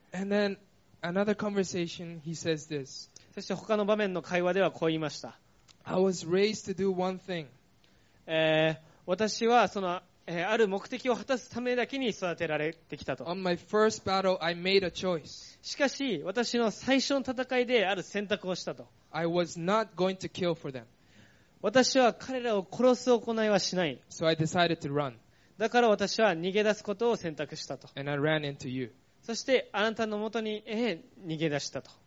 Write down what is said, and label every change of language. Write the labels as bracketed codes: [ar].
[en] And then another conversation, he says this. [ja] そして他の場面の会話ではこう言いました。 [en] I was raised to do one thing. [ja] 私はそのある目的を果たすためだけに育てられてきたと。 [en] On my first battle, I made a choice. [ja] しかし私の最初の戦いである選択をしたと。 [en] I was not going to kill for them. [ja] 私は彼らを殺す行いはしない。 [en] So I decided to run. [ja] だから私は逃げ出すことを選択したと。 [en] And I ran into you. [ja] そしてあなたのもとに逃げ出したと。